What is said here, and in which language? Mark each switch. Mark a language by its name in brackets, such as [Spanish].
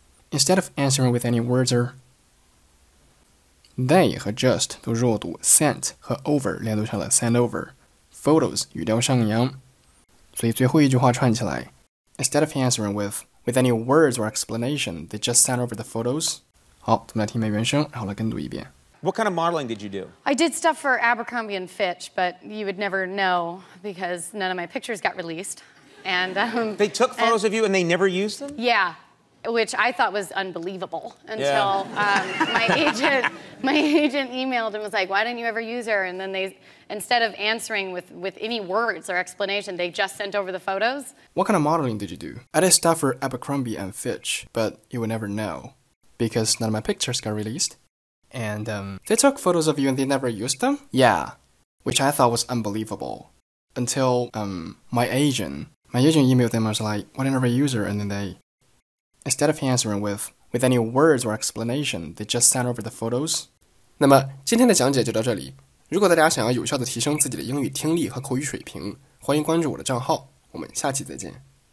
[English] Instead of answering with any words er, they [Chinese] 和 [English] just [Chinese] 都弱读 [English] sent [Chinese] 和 [English] over [Chinese] 连读成了 [English] send over, photos [Chinese] 语调上扬。所以最后一句话串起来 [English] Instead of answering with any words or explanation, they just sent over the photos. [Chinese] 好，我们来听一遍原声，然后来跟读一遍。 [English] What kind of modeling did you do? I did stuff for Abercrombie and Fitch, but you would never know because none of my pictures got released. And, they took photos of you and they never used them? Yeah, which I thought was unbelievable until my agent emailed and was like, why didn't you ever use her? And then they, instead of answering with any words or explanation, they just sent over the photos. What kind of modeling did you do? I did stuff for Abercrombie and Fitch, but you would never know because none of my pictures got released. And, they took photos of you and they never used them? Yeah. Which I thought was unbelievable. Until, my agent emailed them and was like, why didn't I use her? And then they, instead of answering with any words or explanation, they just sent over the photos. [Chinese] 那么今天的讲解就到这里。如果大家想要有效地提升自己的英语听力和口语水平，欢迎关注我的账号。我们下期再见。